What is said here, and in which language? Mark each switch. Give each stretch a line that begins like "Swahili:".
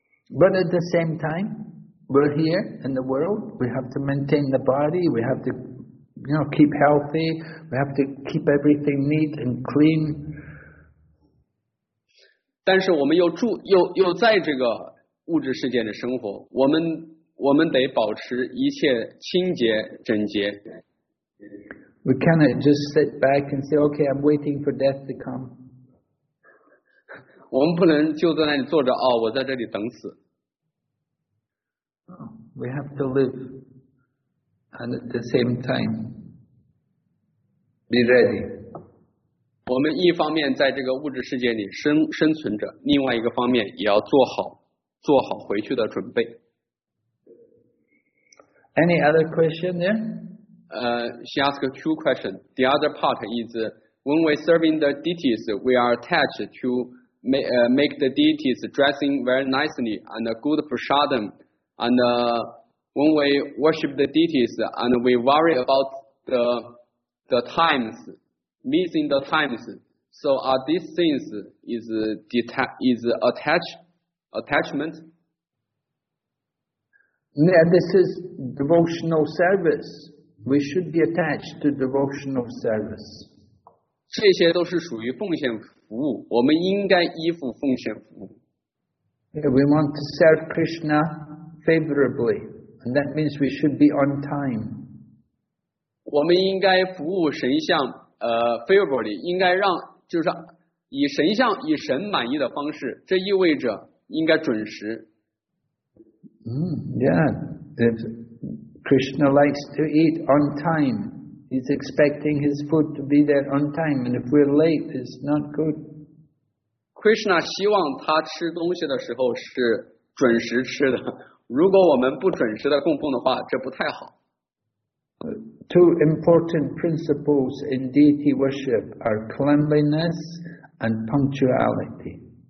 English: But at the same time, we're here in the world. We have to maintain the body. We have to, you know, keep healthy. We have to keep everything neat and clean.
Chinese: 但是我们又在这个物质世界的生活，我们得保持一切清洁整洁。
English: We cannot just sit back and say, "Okay, I'm waiting for death to come."
Chinese: 我们不能就在那里坐着，哦，我在这里等死。
English: We have to live, and at the same time, be ready.
Chinese: 我们一方面在这个物质世界里生存着，另外一个方面也要做好回去的准备。
English: Any other question there? She asked two questions. The other part is, when we're serving the deities, we are attached to make the deities dressing very nicely and a good prasadam. And when we worship the deities and we worry about the times,missing the times. So are these things is attachment? Yeah, this is devotional service. We should be attached to devotional service.
Chinese: 这些都是属于奉献服务，我们应该依附奉献服务。
English: Yeah, we want to serve Krishna favorably, and that means we should be on time.
Chinese: 我们应该服务神像favorably 应该让就是以神像以神满意的方式，这意味着应该准时。
English: Yeah, if Krishna likes to eat on time, he's expecting his food to be there on time, and if we're late, it's not good.
Chinese: Krishna 希望他吃东西的时候是准时吃的，如果我们不准时的供奉的话，这不太好。
English: Two important principles in deity worship are cleanliness and punctuality.